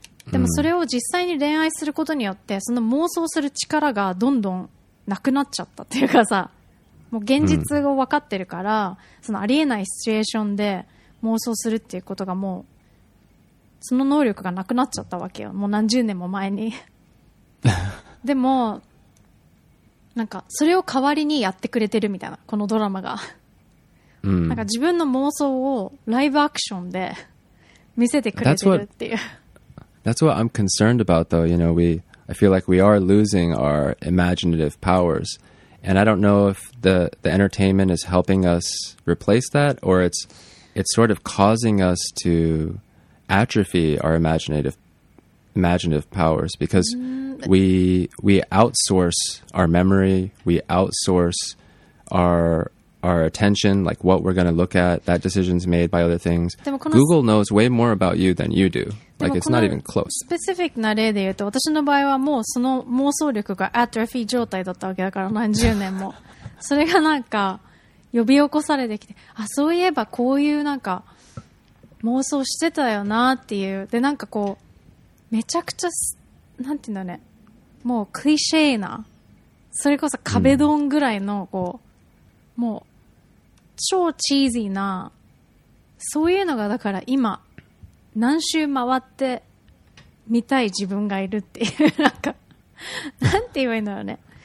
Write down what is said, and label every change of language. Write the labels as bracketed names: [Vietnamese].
[Japanese] でもそれを実際に恋愛することによって、うん、その妄想する力がどんどんなくなっちゃったっていうかさ、もう現実を分かってるから、うん、そのありえないシチュエーションで妄想するっていうことがもうその能力がなくなっちゃったわけよ、もう何十年も前に。でもなんかそれを代わりにやってくれてるみたいな、このドラマが、うん、なんか自分の妄想をライブアクションで見せてくれてるっていう。 [English] That's what I'm concerned about, though. You know, I feel like we are losing our imaginative powers. And I don't know if the entertainment is helping us replace that, or it's sort of causing us to atrophy our imaginative powers, because we outsource our memory, we outsource our attention, like what we're going to look at, that decision's made by other things. Google knows way more about you than you do. Like, it's not even close. [Japanese] Specific な例で言うと、私の場合はもうその妄想力がアトロフィー状態だったわけだから、何十年も。それがなんか、呼び起こされてきて、あ、そういえばこういうなんか、妄想してたよなっていう。で、なんかこう、めちゃくちゃ、なんていうんだね、もうクリシェーな、それこそ壁ドンぐらいの、こう、もう、超チーズィーな、そういうのがだから今、何周回って見たい自分がいるっていう、なんか、なんて言えばいいんだろうね。